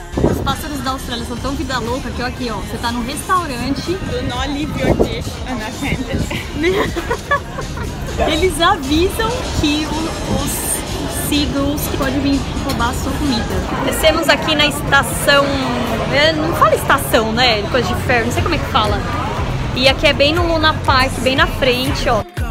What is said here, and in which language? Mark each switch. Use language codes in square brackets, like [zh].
[pt] Os pássaros da Austrália são tão vida louca que, ó, aqui, ó, você tá num restaurante. [en] Do not leave your dish unattended. [pt] Eles avisam que os seagulls podem vir roubar a sua comida. Descemos aqui na estação. É, não fala estação, né? Coisa de ferro, não sei como é que fala. E aqui é bem no Luna Park, bem na frente, ó.